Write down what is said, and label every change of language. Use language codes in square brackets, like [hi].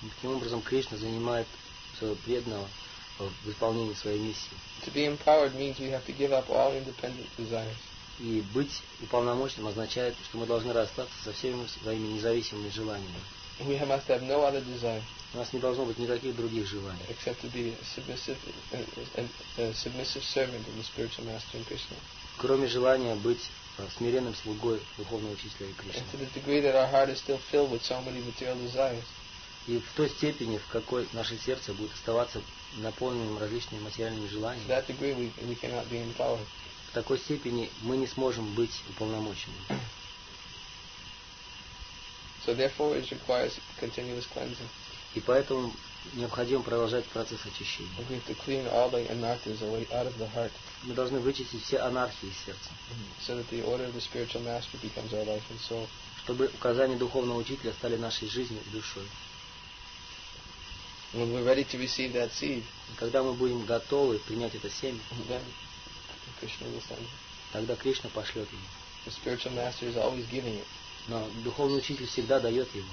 [ru] Таким образом Кришна занимает своего преданного в исполнении своей миссии. [en] To be empowered means we have to give up all independent desires. [ru] И быть уполномоченным означает, что мы должны расстаться со всеми своими независимыми желаниями. [en] We must have no other desire. [ru] У нас не должно быть никаких других желаний. [en] Except to be a submissive servant of the spiritual master in Krishna. [ru] Кроме желания быть смиренным слугой духовного учителя Кришны. [en] And to the degree that our heart is still filled with so many material desires. [ru] И в той степени, в какой наше сердце будет оставаться наполненным различными материальными желаниями. [en] That degree we cannot be empowered. [ru] В такой степени мы не сможем быть уполномоченными. [en] So therefore it requires continuous cleansing. [ru] И поэтому необходимо продолжать процесс очищения. [en] We have to clean all the anarthas away out of the heart. [ru] Мы должны вычистить все анархии из сердца. [en] So that the order of the spiritual master becomes our life and soul. [ru] Чтобы указания духовного учителя стали нашей жизнью и душой. [en] When we're ready to receive that seed, [ru] когда мы будем готовы принять это семя, [en] then Krishna will send it. [ru] Тогда Кришна пошлет его. [en] The spiritual master is always giving it. [ru] Но духовный учитель всегда дает его.